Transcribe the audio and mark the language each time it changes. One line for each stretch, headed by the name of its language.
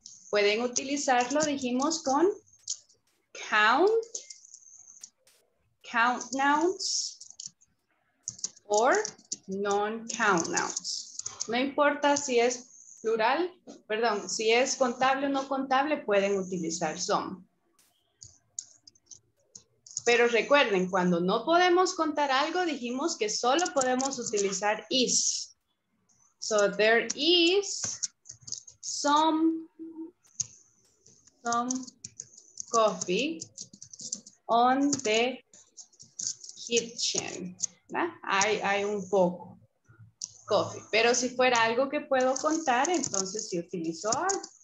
Spanish: pueden utilizarlo, dijimos, con
English: count, count nouns, or non-count nouns.
Spanish: No importa si es plural, perdón, si es contable o no contable, pueden utilizar some. Pero recuerden, cuando no podemos contar algo, dijimos que solo podemos utilizar is.
English: So there is some coffee on the kitchen.
Spanish: Hay un poco coffee. Pero si fuera algo que puedo contar, entonces sí utilizo are.